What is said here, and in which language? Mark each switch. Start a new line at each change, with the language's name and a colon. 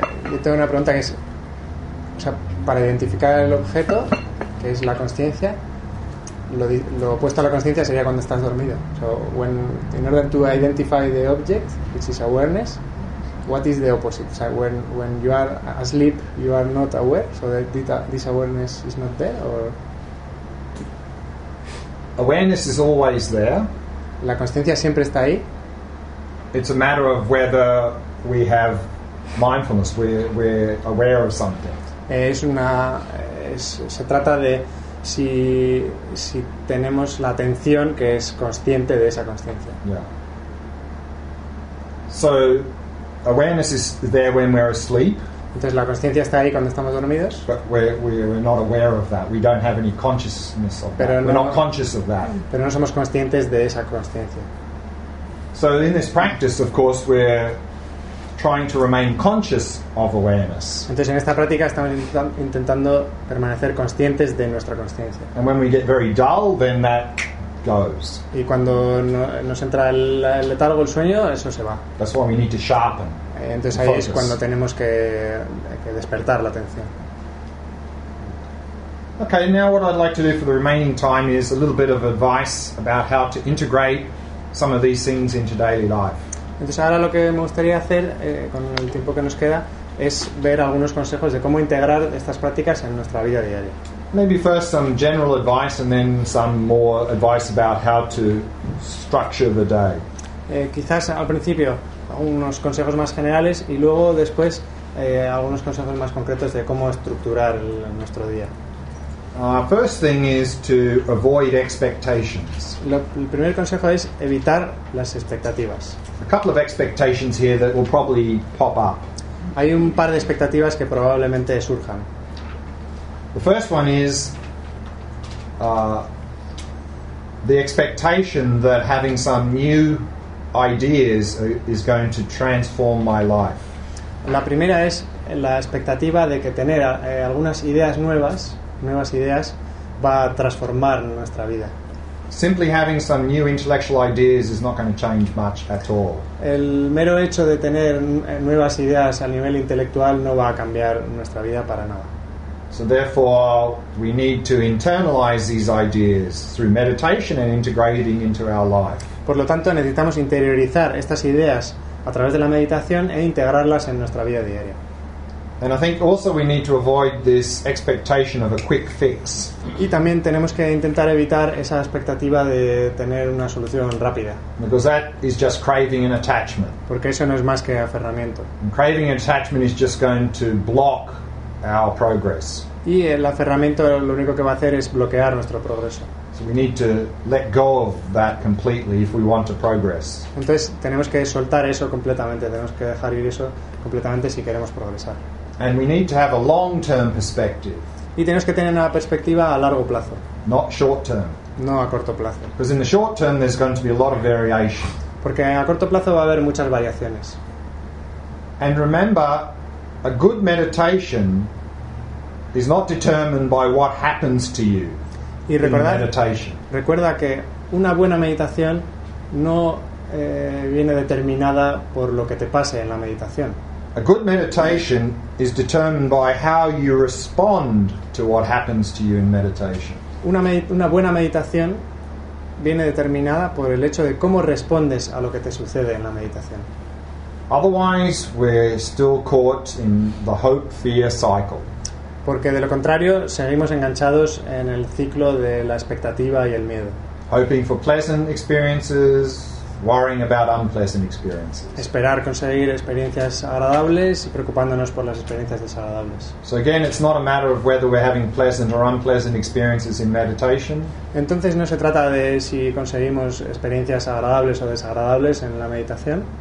Spanish: Yo tengo una pregunta que es, o sea, para identificar el objeto, que es la consciencia, lo opuesto a la consciencia sería cuando estás dormido.
English: So, when in order to identify the object, which is awareness, what is the opposite? So, when you are asleep, you are not aware, so this awareness is not there, or awareness is always there.
Spanish: La consciencia siempre está ahí.
English: It's a matter of whether we have mindfulness, we're aware of something.
Spanish: Se trata de si tenemos la atención que es consciente de esa consciencia.
English: Yeah. So awareness is there when we're asleep.
Spanish: Entonces la conciencia está ahí cuando estamos dormidos.
English: But we're not aware of that. We don't have any consciousness of
Spanish: pero
English: that. No, we're not conscious of that.
Spanish: Pero no somos conscientes de esa conciencia.
English: So in this practice, of course, we're trying to remain conscious of awareness.
Spanish: Entonces en esta práctica estamos intentando permanecer conscientes de nuestra conciencia.
English: And when we get very dull, then that goes.
Spanish: Y cuando nos entra el letargo, el sueño, eso se va.
English: That's why we need to sharpen.
Spanish: Entonces ahí es cuando tenemos que despertar la atención.
English: Okay, now what I'd like to do for the remaining time is a little bit of advice about how to integrate some of these things into daily life.
Spanish: Entonces ahora lo que me gustaría hacer con el tiempo que nos queda es ver algunos consejos de cómo integrar estas prácticas en nuestra vida diaria.
English: Maybe first some general advice and then some more advice about how to structure the day.
Spanish: Quizás al principio unos consejos más generales y luego después algunos consejos más concretos de cómo estructurar nuestro día.
English: First thing is to avoid expectations.
Spanish: El primer consejo es evitar las expectativas.
English: A couple of expectations here that will probably pop up.
Spanish: Hay un par de expectativas que probablemente surjan.
English: The first one is the expectation that having some new ideas is going to transform my life.
Spanish: La primera es la expectativa de que tener algunas ideas nuevas ideas va a transformar nuestra vida.
English: Simply having some new intellectual ideas is not going to change much at all.
Spanish: El mero hecho de tener nuevas ideas a nivel intelectual no va a cambiar nuestra vida para nada.
English: So therefore we need to internalize these ideas through meditation and integrating into our life.
Spanish: Por lo tanto, necesitamos interiorizar estas ideas a través de la meditación e integrarlas en nuestra vida diaria.
English: And I think also we need to avoid this expectation of a quick fix.
Spanish: Y también tenemos que intentar evitar esa expectativa de tener una solución rápida.
English: Because that is just craving and attachment.
Spanish: Porque eso no es más que aferramiento.
English: And craving and attachment is just going to block our progress.
Spanish: Y el aferramiento lo único que va a hacer es bloquear nuestro progreso.
English: So we need to let go of that completely if we want to progress.
Spanish: Entonces tenemos que soltar eso completamente, tenemos que dejar ir eso completamente si queremos progresar.
English: And we need to have a long-term perspective.
Spanish: Y tenemos que tener una perspectiva a largo plazo.
English: Not short-term.
Spanish: No a corto plazo.
English: Because in the short term there's going to be a lot of variation.
Spanish: Porque a corto plazo va a haber muchas variaciones.
English: And remember, a good meditation is not determined by what happens to you.
Spanish: Y recuerda que una buena meditación no viene determinada por lo que te pase en la meditación.
English: A good meditation is determined by how you respond to what happens to you in meditation.
Spanish: Una buena meditación viene determinada por el hecho de cómo respondes a lo que te sucede en la meditación.
English: Otherwise, we're still caught in the hope-fear cycle.
Spanish: Porque de lo contrario seguimos enganchados en el ciclo de la expectativa y el miedo.
English: Hoping for pleasant experiences, worrying about unpleasant experiences.
Spanish: Esperar conseguir experiencias agradables y preocupándonos por las experiencias desagradables.
English: So again, it's not a matter of whether we're having pleasant or unpleasant experiences in meditation.
Spanish: Entonces no se trata de si conseguimos experiencias agradables o desagradables en la meditación.